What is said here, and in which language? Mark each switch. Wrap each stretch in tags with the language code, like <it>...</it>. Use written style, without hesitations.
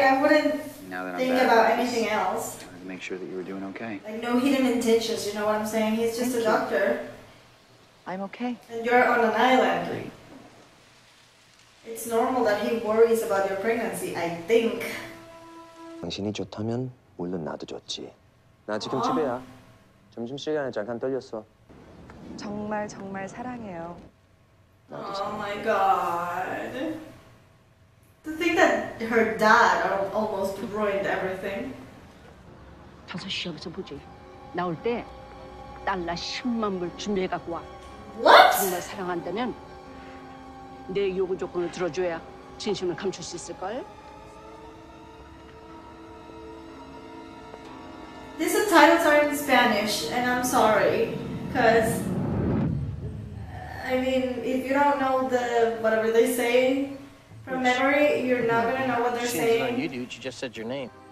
<en>I wouldn't think about anything else. I wanted to make sure that you were doing okay. Like, no hidden intentions, you know what I'm saying? He's just a doctor. I'm okay. And you're on an island. It's normal that he worries about your pregnancy, I think.</en> <ko>당신이 좋다면 물론 나도 좋지. 나 지금 집에야. 점심시간에 잠깐 떨렸어. 정말 정말 사랑해요.</ko> <en>Oh my god. To think that her dad almost ruined everything.</en> <ko>5시 여기서 보지. 나올 때 달러 10만 불 준비해 갖고 와.</ko> <en>What?</en> <ko>정말 사랑한다면 내 요구 조건을 들어줘야 진심을 감출 수 있을걸?</ko> <en>These subtitles are in Spanish, and I'm sorry, because, I mean, if you don't know the, whatever they say from memory, you're not going to know what they're saying. Like you do, you just said your name.</en>